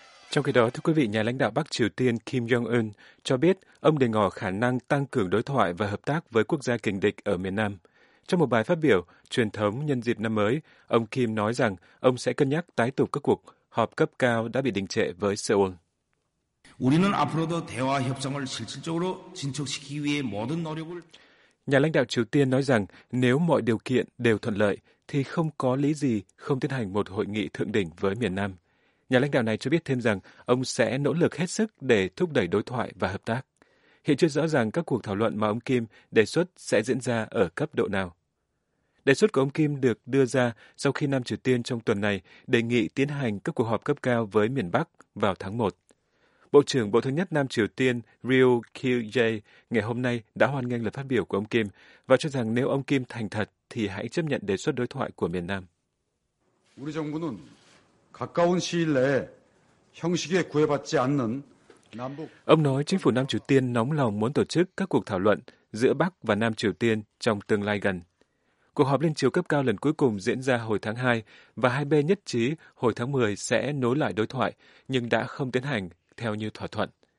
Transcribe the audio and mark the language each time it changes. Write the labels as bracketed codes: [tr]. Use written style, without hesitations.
[vi] Trong khi đó, thưa quý vị, nhà lãnh đạo Bắc Triều Tiên Kim Jong-un cho biết ông đề ngỏ khả năng tăng cường đối thoại và hợp tác với quốc gia kình địch ở miền Nam. Trong một bài phát biểu truyền thống nhân dịp năm mới, ông Kim nói rằng ông sẽ cân nhắc tái tổ các cuộc họp cấp cao đã bị đình trệ với Seoul. [ko] 우리는 앞으로도 대화 협상을 실질적으로 진척시키기 위해 모든 노력을 [vi] Nhà lãnh đạo Triều Tiên nói rằng nếu mọi điều kiện đều thuận lợi thì không có lý gì không tiến hành một hội nghị thượng đỉnh với miền Nam. Nhà lãnh đạo này cho biết thêm rằng ông sẽ nỗ lực hết sức để thúc đẩy đối thoại và hợp tác. Hiện chưa rõ ràng các cuộc thảo luận mà ông Kim đề xuất sẽ diễn ra ở cấp độ nào. Đề xuất của ông Kim được đưa ra sau khi Nam Triều Tiên trong tuần này đề nghị tiến hành các cuộc họp cấp cao với miền Bắc vào tháng 1. Bộ trưởng Bộ Thống nhất Nam Triều Tiên Ryu Kyu-jae ngày hôm nay đã hoan nghênh lời phát biểu của ông Kim và cho rằng nếu ông Kim thành thật thì hãy chấp nhận đề xuất đối thoại của miền Nam. [ko] 우리 정부는 가까운 시일 내에 형식에 구애받지 않는 [vi] Ông nói chính phủ Nam Triều Tiên nóng lòng muốn tổ chức các cuộc thảo luận giữa Bắc và Nam Triều Tiên trong tương lai gần. Cuộc họp liên triều cấp cao lần cuối cùng diễn ra hồi tháng 2 và hai bên nhất trí hồi tháng 10 sẽ nối lại đối thoại nhưng đã không tiến hành theo như thỏa thuận.